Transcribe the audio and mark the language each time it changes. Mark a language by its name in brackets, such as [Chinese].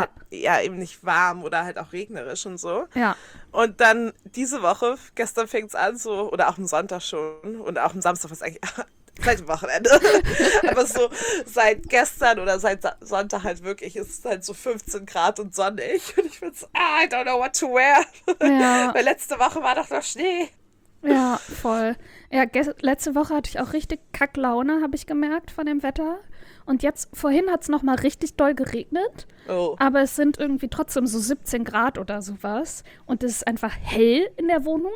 [German] halt eher eben nicht warm oder halt auch regnerisch und so. Ja. Und dann diese Woche, gestern fängt es an so, oder auch am Sonntag schon, und auch am Samstag, was eigentlich, vielleicht am Wochenende, aber so seit gestern oder seit Sonntag halt wirklich, ist es halt so 15 Grad und sonnig. Und ich bin so, [English] I don't know what to wear. [German] Ja. Weil letzte Woche war doch noch Schnee. Ja, voll. Ja, letzte Woche hatte ich auch richtig Kacklaune, habe ich gemerkt, von dem Wetter. Und jetzt, vorhin hat es nochmal richtig doll geregnet. Oh. Aber es sind irgendwie trotzdem so 17 Grad oder sowas. Und es ist einfach hell in der Wohnung.